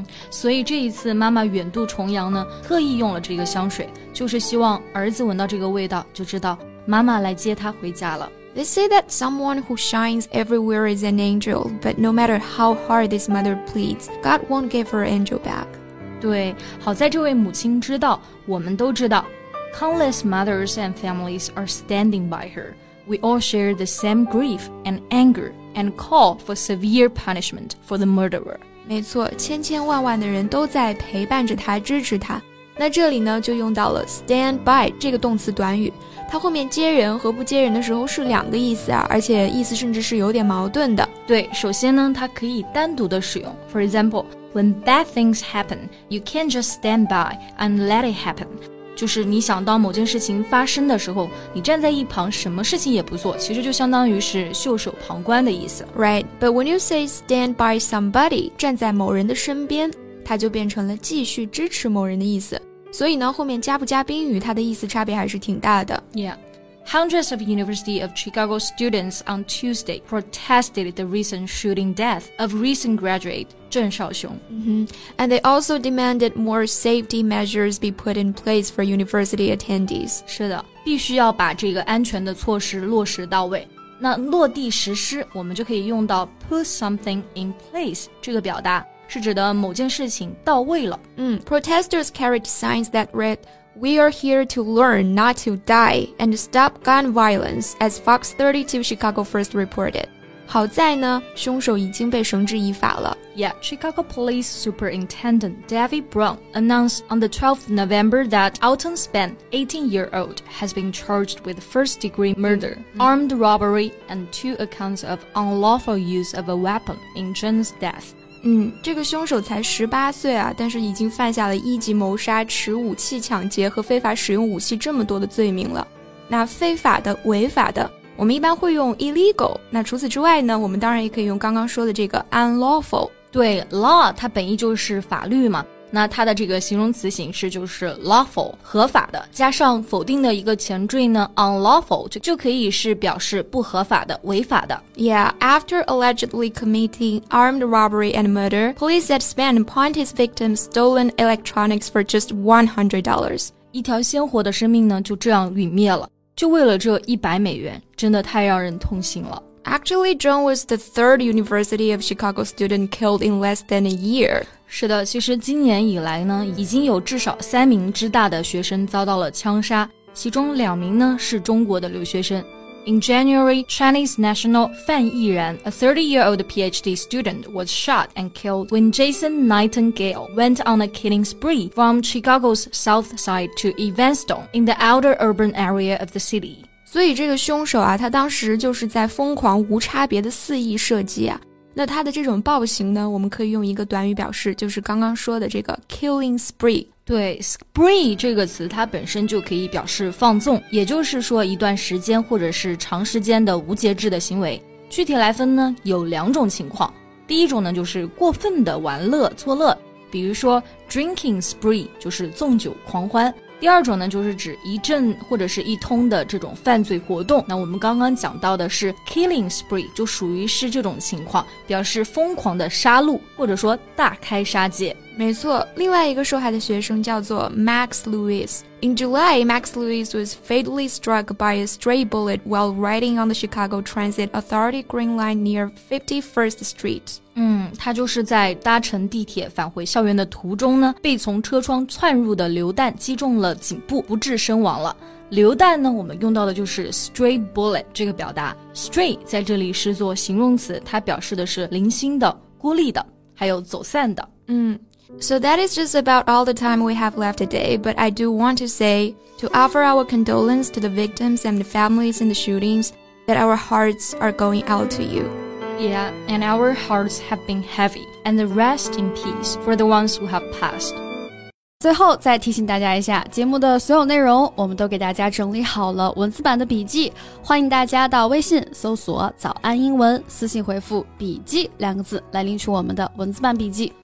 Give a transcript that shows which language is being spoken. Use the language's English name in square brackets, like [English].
[Chinese] 所以这一次妈妈远渡重洋呢，特意用了这个香水，就是希望儿子闻到这个味道就知道妈妈来接他回家了。 [English] They say that someone who shines everywhere is an angel, but no matter how hard this mother pleads, God won't give her angel back. [Chinese] 对，好在这位母亲知道，我们都知道， [English] countless mothers and families are standing by her. We all share the same grief and angerand call for severe punishment for the murderer. [Chinese] 没错，千千万万的人都在陪伴着他，支持他。那这里呢，就用到了 stand by 这个动词短语，它后面接人和不接人的时候是两个意思啊，而且意思甚至是有点矛盾的。对，首先呢，它可以单独的使用。 [English] For example, when bad things happen, you can't just stand by and let it happen. [Chinese] 就是你想到某件事情发生的时候，你站在一旁什么事情也不做，其实就相当于是袖手旁观的意思。 [English] Right, but when you say stand by somebody, [Chinese] 站在某人的身边，它就变成了继续支持某人的意思。所以呢，后面加不加宾语，它的意思差别还是挺大的。 [English] Yeah, Hundreds of University of Chicago students on Tuesday protested the recent shooting death of recent graduate郑少雄、 mm-hmm. And they also demanded more safety measures be put in place for university attendees. [Chinese] 是的，必须要把这个安全的措施落实到位。那落地实施，我们就可以用到 put something in place 这个表达，是指的某件事情到位了。 [English] Protesters carried signs that read, "We are here to learn, not to die, and stop gun violence," as Fox 32 Chicago first reported. [Chinese] 好在呢，凶手已经被绳之以法了。 [English] Yeah, Chicago Police Superintendent David Brown announced on the 12th November that Alton Spann, 18-year-old, has been charged with first-degree murder, armed robbery, and two accounts of unlawful use of a weapon in Jen's death. [Chinese] 这个凶手才18岁啊，但是已经犯下了一级谋杀、持武器抢劫和非法使用武器这么多的罪名了。那非法的、违法的，我们一般会用 illegal。那除此之外呢，我们当然也可以用刚刚说的这个 unlawful。对， law 它本意就是法律嘛，那它的这个形容词形式就是 lawful， 合法的，加上否定的一个前缀呢 unlawful， 就可以是表示不合法的、违法的。 [English] Yeah, after allegedly committing armed robbery and murder, police said Spann pawned his victim's stolen electronics for just $100. [Chinese] 一条鲜活的生命呢就这样陨灭了，就为了这100美元，真的太让人痛心了。 [English] Actually, John was the third University of Chicago student killed in less than a year. [Chinese] 是的，其实今年以来呢，已经有至少三名之大的学生遭到了枪杀，其中两名呢是中国的留学生。 [English] In January, Chinese national Fan Yiran, a 30-year-old PhD student, was shot and killed when Jason Nightingale went on a killing spree from Chicago's south side to Evanston in the outer urban area of the city. [Chinese] 所以这个凶手啊，他当时就是在疯狂无差别的肆意射击啊。那他的这种暴行呢，我们可以用一个短语表示，就是刚刚说的这个 killing spree。对， spree 这个词它本身就可以表示放纵，也就是说一段时间或者是长时间的无节制的行为。具体来分呢，有两种情况。第一种呢，就是过分的玩乐作乐，比如说 drinking spree 就是纵酒狂欢。第二种呢，就是指一阵或者是一通的这种犯罪活动。那我们刚刚讲到的是 killing spree， 就属于是这种情况，表示疯狂的杀戮或者说大开杀戒。没错，另外一个受害的学生叫做 Max Lewis. [English] In July, Max Lewis was fatally struck by a stray bullet while riding on the Chicago Transit Authority Green Line near 51st Street. [Chinese] 他就是在搭乘地铁返回校园的途中呢，被从车窗窜入的榴弹击中了颈部，不治身亡了。榴弹呢，我们用到的就是 stray bullet 这个表达。 Stray 在这里是做形容词，它表示的是零星的、孤立的，还有走散的。 [English] So that is just about all the time we have left today, but I do want to say, to offer our condolence to the victims and the families in the shootings, that our hearts are going out to you. Yeah, and our hearts have been heavy, and rest in peace for the ones who have passed. [Chinese] 最后再提醒大家一下，节目的所有内容我们都给大家整理好了文字版的笔记，欢迎大家到微信搜索早安英文，私信回复笔记两个字来领取我们的文字版笔记。